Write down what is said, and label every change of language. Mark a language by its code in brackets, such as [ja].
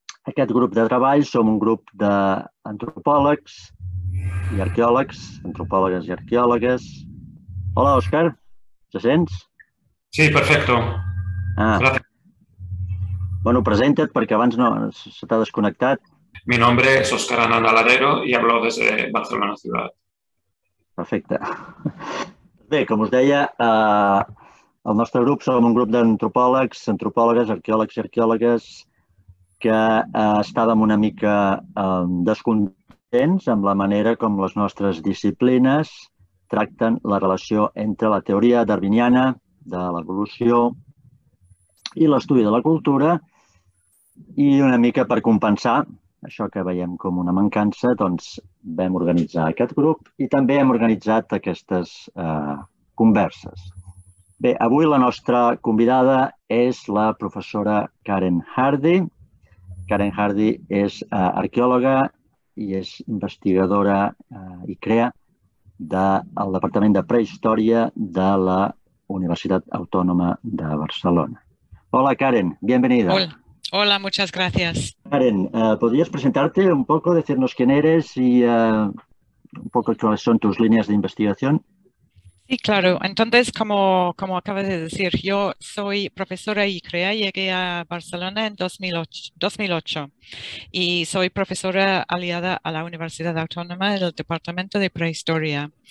[ca] Aquest grup de treball som un grup d'antropòlegs i arqueòlegs, antropòlegues i arqueòlegues. Hola, Òscar, te sents? [es] Sí, perfecto. Ah. [ca] Bueno, presenta't perquè abans no, se t'ha desconnectat. [es] Mi nombre es Óscar Anand Aladero y hablo desde Barcelona Ciudad. [ca] Perfecte. Bé, com us deia, el nostre grup som un grup d'antropòlegs, antropòlogues, arqueòlegs i arqueòlegues que estàvem una mica descontents amb la manera com les nostres disciplines tracten la relació entre la teoria darwiniana de l'evolució i l'estudi de la cultura i una mica per compensar això que veiem com una mancança, doncs vam organitzar aquest grup i també hem organitzat aquestes converses. Bé, avui la nostra convidada és la professora Karen Hardy. Karen Hardy és arqueòloga i és investigadora i crea del Departament de Prehistòria de la Universitat Autònoma de Barcelona. [es] Hola, Karen, bienvenida. Hola. Hola, muchas gracias. Karen, ¿podrías presentarte un poco, decirnos quién eres y un poco cuáles son tus líneas de investigación? Sí, claro. Entonces, como acabas de decir, yo soy profesora ICREA, llegué a Barcelona en 2008 y soy profesora aliada a la Universidad Autónoma del Departamento de Prehistoria.